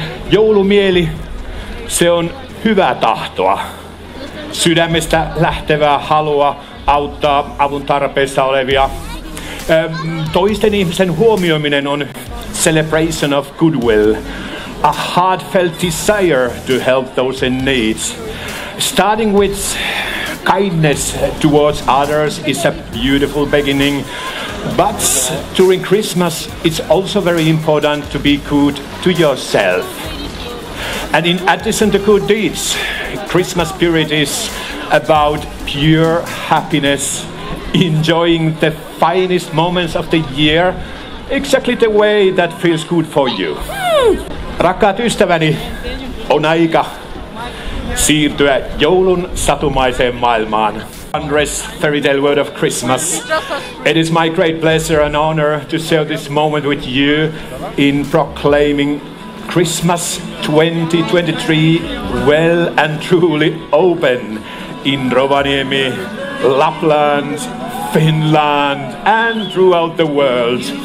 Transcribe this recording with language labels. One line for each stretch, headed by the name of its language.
Finnish: Joulumieli, se on hyvä tahtoa. Sydämestä lähtevää halua auttaa avun tarpeessa olevia. Toisten ihmisen huomioiminen on
English: celebration of goodwill. A heartfelt desire to help those in need. Starting with kindness towards others is a beautiful beginning. But during Christmas, it's also very important to be good to yourself. And in addition to good deeds, Christmas spirit is about pure happiness, enjoying the finest moments of the year, exactly the way that feels good for you.
Finnish: Rakkaat ystäväni, on aika siirtyä joulun satumaiseen maailmaan.
English: Wondrous fairy tale world of Christmas. It is my great pleasure and honor to share this moment with you in proclaiming Christmas 2023 well and truly open in Rovaniemi, Lapland, Finland and throughout the world.